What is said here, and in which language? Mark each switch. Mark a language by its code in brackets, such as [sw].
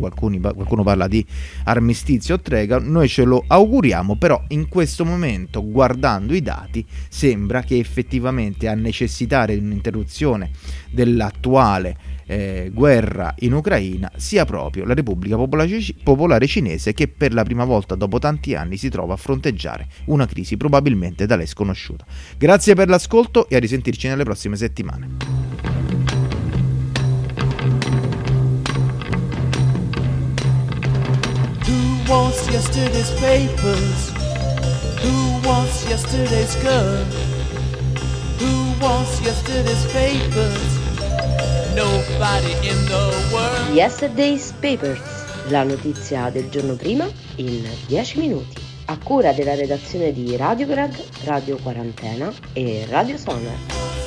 [it] Qualcuno parla di armistizio o trega, noi ce lo auguriamo, però in questo momento, guardando i dati, sembra che effettivamente a necessitare un'interruzione dell'attuale guerra in Ucraina sia proprio la Repubblica Popolare Cinese, che per la prima volta dopo tanti anni si trova a fronteggiare una crisi probabilmente da lei sconosciuta. Grazie per l'ascolto e a risentirci nelle prossime settimane. [en] Who wants yesterday's papers? Who wants yesterday's gun? Who wants yesterday's papers? Nobody in the world. [it] Yesterday's papers, la notizia del giorno prima in 10 minuti. A cura della redazione di Radio Grad, Radio Quarantena e Radio Sonar.